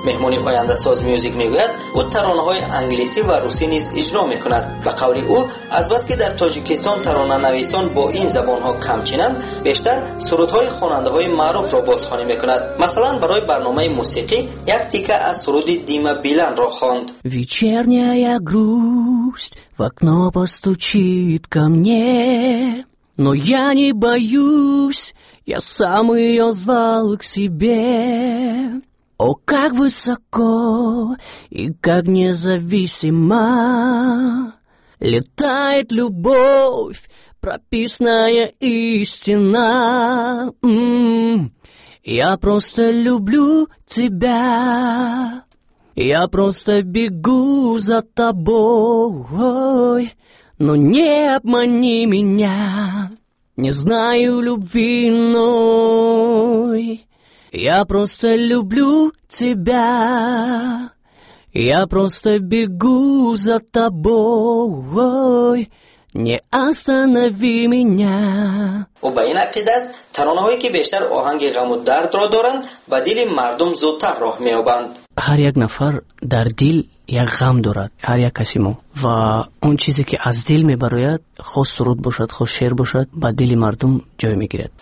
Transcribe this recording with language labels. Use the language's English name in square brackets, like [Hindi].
[Persian] مهمونی آینده ساز میوزیک میگوید او ترانه های انگلیسی و روسی نیز اجرا میکند. به قول او از بس که در تاجیکستان ترانه نویسان با این زبان ها کمچینند بیشتر سرودهای خواننده های معروف را بازخوانی میکند. مثلا برای برنامه موسیقی یک تیکه از سرود دیما بیلان را خواند. [Russian] Черняя грусть в окно постучит ко мне, но я не боюсь, я сам ее звал к себе. О, как высоко и как независимо летает любовь, прописная истина. Я просто люблю тебя, я просто бегу за тобой. Но не обмани меня, не знаю любви иной. Я просто люблю тебя, я просто бегу за тобой. Не останови меня. [Tajik] У баинакти даст таронаҳое ки бештар оҳанги ғаму дардро доранд ба дили мардум зудтар роҳ меёбанд. Ҳар як нафар дар дил як ғам дорад, ҳар як каси мо. Ва он чизе ки аз дил мебарояд, хос суруд бошад, хос шеър бошад, ба дили мардум ҷой мегирад.